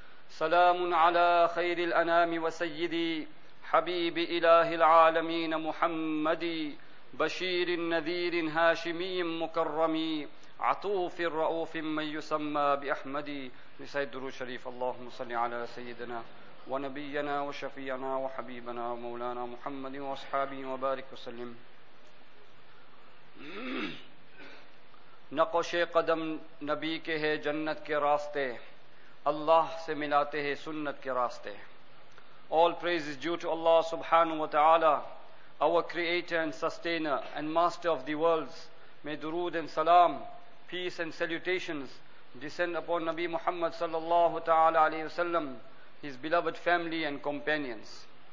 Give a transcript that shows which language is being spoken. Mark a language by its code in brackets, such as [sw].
[ar] سلام على خير الأنام وسيدي حبيب إله العالمين محمدي، بشير النذير هاشمي مكرمي، عطوف الرؤوف من يسمى بأحمدي، لسيد دروش شريف. اللهم صل على سيدنا ونبينا وشفيعنا وحبيبنا ومولانا محمد وأصحابه وبارك وسلم. [ur] نقش قدم نبی کے ہے جنت کے راستے، اللہ سے ملاتے ہیں سنت کے راستے. [en] All praise is due to Allah subhanahu wa ta'ala, our creator and sustainer and master of the worlds. May durood and salam, peace and salutations descend upon Nabi Muhammad sallallahu ta'ala alayhi wasallam, his beloved family and companions.